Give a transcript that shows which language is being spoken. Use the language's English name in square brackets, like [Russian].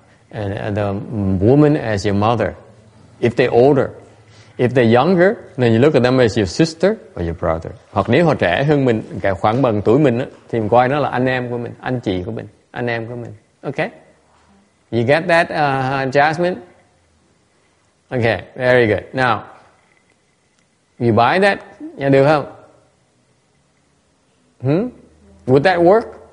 [English] And the woman as your mother, if they're older. If they're younger, then you look at them as your sister or your brother. [Vietnamese] Hoặc nếu họ trẻ hơn mình, khoảng bằng tuổi mình, thì mình coi nó là anh em của mình, anh chị của mình, anh em của mình. [English] Okay? You get that, Jasmine? Okay, very good. Now, You buy that? Yeah, [Vietnamese] được không? [English] Hmm? Would that work?